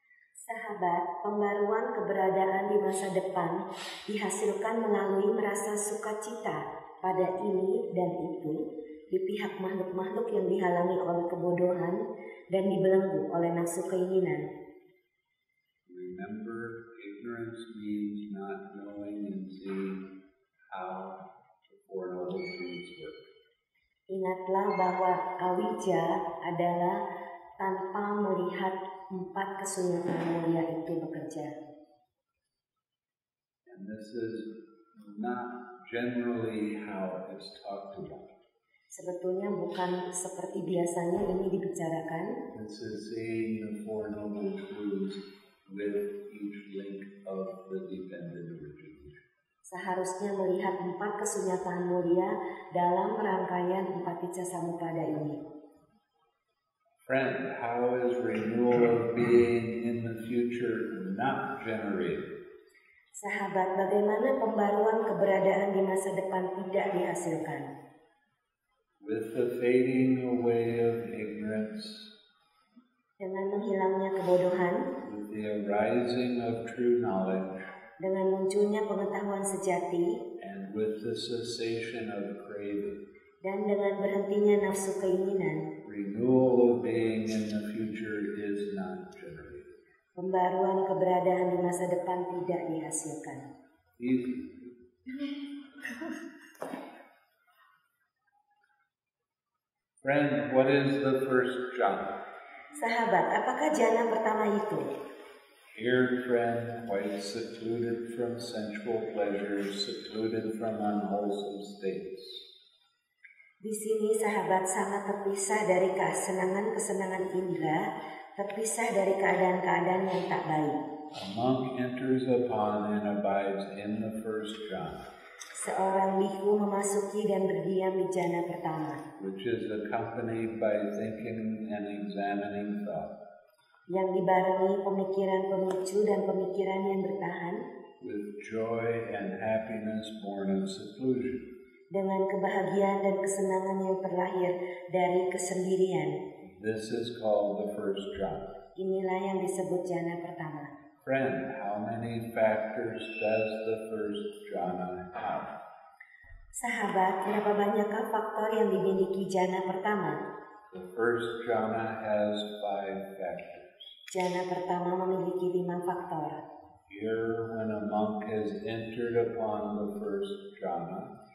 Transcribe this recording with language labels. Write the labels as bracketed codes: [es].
[id] Sahabat, pembaruan keberadaan di masa depan dihasilkan melalui merasa sukacita pada ini dan itu di pihak makhluk-makhluk yang dihalangi oleh kebodohan dan dibelenggu oleh nafsu keinginan. [en] Remember, ignorance means not knowing and seeing how the four noble truths work. [id] Ingatlah bahwa awija adalah tanpa melihat empat kesunyatan mulia itu bekerja. [en] And this is not generally how it's talked about. [id] Sebetulnya bukan seperti biasanya ini dibicarakan. [en] This is saying the four noble truths with each link of the dependent origin. [id] Seharusnya melihat empat kesunyatan mulia dalam rangkaian empat paticcasamuppada ini. [en] Friend, how is renewal of being in the future not generated? [id] Sahabat, bagaimana pembaruan keberadaan di masa depan tidak dihasilkan? [en] With the fading away of ignorance, [id] dengan menghilangnya kebodohan, [en] with the arising of true knowledge, [id] dengan munculnya pengetahuan sejati, [en] and with the cessation of craving, [id] dan dengan berhentinya nafsu keinginan, [en] renewal of being in the future is not generated. [id] Pembaruan keberadaan di masa depan tidak dihasilkan. [en] Friend, what is the first jhana? [id] Sahabat, apakah jhana pertama itu? [en] Here, friend, quite secluded from sensual pleasures, secluded from unwholesome states. [id] Di sini, sahabat, sangat terpisah dari kesenangan-kesenangan indera, terpisah dari keadaan-keadaan yang tak baik. [en] A monk enters upon and abides in the first jhana. [id] Seorang bhikkhu memasuki dan berdiam di jhana pertama, [en] which is accompanied by thinking and examining thought. [id] Yang dibarengi pemikiran pemicu dan pemikiran yang bertahan, [en] with joy and happiness born of seclusion. [id] Dengan kebahagiaan dan kesenangan yang terlahir dari kesendirian. [en] This is called the first jhana. [id] Inilah yang disebut jhana pertama. [en] Friend, how many factors does the first jhana have? [id] Sahabat, berapa banyakkah faktor yang dimiliki jhana pertama? [en] The first jhana has 5 factors. [id] Jhana pertama memiliki 5 faktor. [en] Here, when a monk has entered upon the first jhana,